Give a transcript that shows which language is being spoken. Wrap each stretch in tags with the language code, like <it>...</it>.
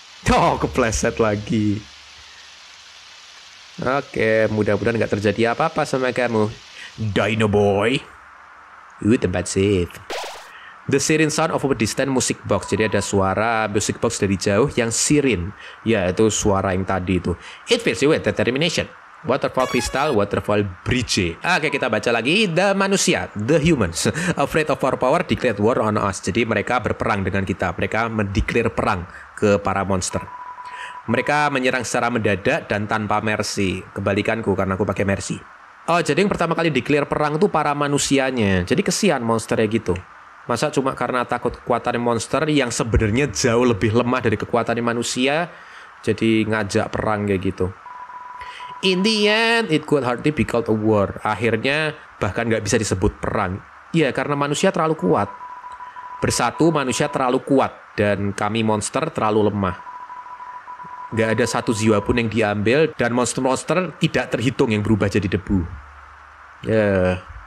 <id>Oh, kepleset lagi. Oke, mudah-mudahan gak terjadi apa-apa sama kamu. Dino Boy. Tempat safe.</id> <en>The siren sound of a distant music box.</en> <id>Jadi ada suara music box dari jauh yang siren. Ya, itu suara yang tadi itu.</id> <en>It feels you with determination. Waterfall crystal, waterfall bridge.</en> <id>Oke, kita baca lagi.</id> <en>The manusia, the humans, afraid of our power, declared war on us.</en> <id>Jadi mereka berperang dengan kita. Mereka mendeklar perang ke para monster. Mereka menyerang secara mendadak dan tanpa mercy. Kebalikanku, karena aku pakai mercy. Oh, jadi yang pertama kali declare perang itu para manusianya. Jadi kesian monsternya gitu. Masa cuma karena takut kekuatan monster yang sebenarnya jauh lebih lemah dari kekuatan manusia, jadi ngajak perang kayak gitu.</id> <en>In the end, it could hardly be called a war.</en> <id>Akhirnya, bahkan gak bisa disebut perang. Iya, karena manusia terlalu kuat. Bersatu, manusia terlalu kuat. Dan kami monster terlalu lemah. Gak ada satu jiwa pun yang diambil, dan monster-monster tidak terhitung yang berubah jadi debu. Ya.</id>